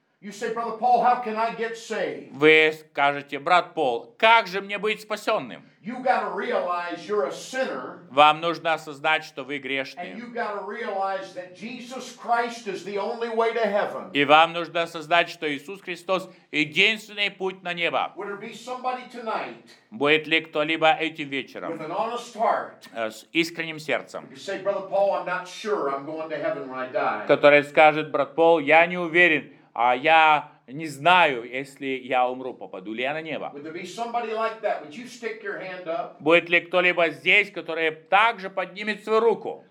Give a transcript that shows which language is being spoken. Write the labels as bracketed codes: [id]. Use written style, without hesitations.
[en] You say, brother Paul, how can I get saved? [ru] Вы скажете, брат Пол, как же мне быть спасенным? [en] You got to realize you're a sinner. [ru] Вам нужно осознать, что вы грешны. [en] And you got to realize that Jesus Christ is the only way to heaven. [ru] И вам нужно осознать, что Иисус Христос единственный путь на небо. [en] Would there be somebody tonight? [ru] Будет ли кто-либо этим вечером? [en] With an honest heart. [ru] С искренним сердцем. [en] You say, brother Paul, I'm not sure I'm going to heaven when I die. [ru] Который скажет, брат Пол, я не уверен. А я не знаю, если я умру, попаду ли я на небо. Будет ли кто-либо здесь, который также поднимет свою руку?